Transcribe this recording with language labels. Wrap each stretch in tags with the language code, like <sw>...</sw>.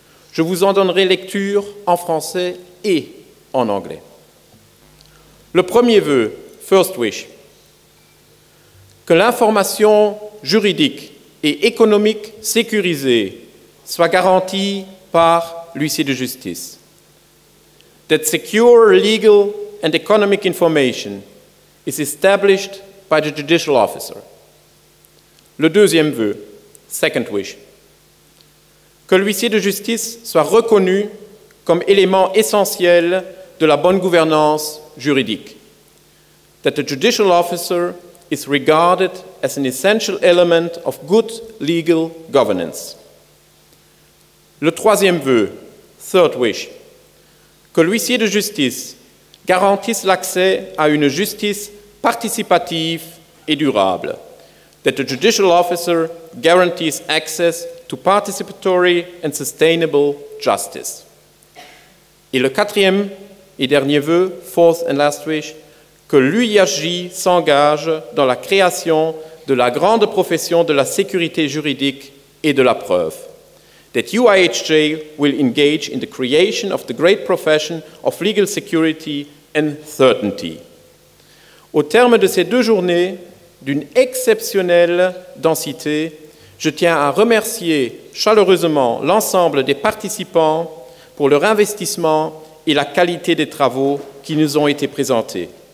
<fr>Je vous en donnerai lecture en français et en anglais. Le premier vœu,</fr> <en>first wish,</en> <fr>que l'information juridique et économique sécurisée soit garantie par l'huissier de justice.</fr> <en>That secure legal and economic information is established by the judicial officer.</en> <fr>Le deuxième vœu,</fr> <en>second wish,</en> <fr>que l'huissier de justice soit reconnu comme élément essentiel de la bonne gouvernance juridique.</fr> <en>That the judicial officer is regarded as an essential element of good legal governance.</en> <fr>Le troisième vœu,</fr> <en>third wish,</en> <fr>que l'huissier de justice garantisse l'accès à une justice participative et durable.</fr> <en>That the judicial officer guarantees access to participatory and sustainable justice.</en> <fr>Et le quatrième et dernier vœu,</fr> <en>fourth and last wish,</en> <fr>que l'UIHJ s'engage dans la création de la grande profession de la sécurité juridique et de la preuve.</fr> <en>That UIHJ will engage in the creation of the great profession of legal security and certainty.</en> <fr>Au terme de ces deux journées d'une exceptionnelle densité, je tiens à remercier chaleureusement l'ensemble des participants pour leur investissement et la qualité des travaux qui nous ont été présentés.</fr>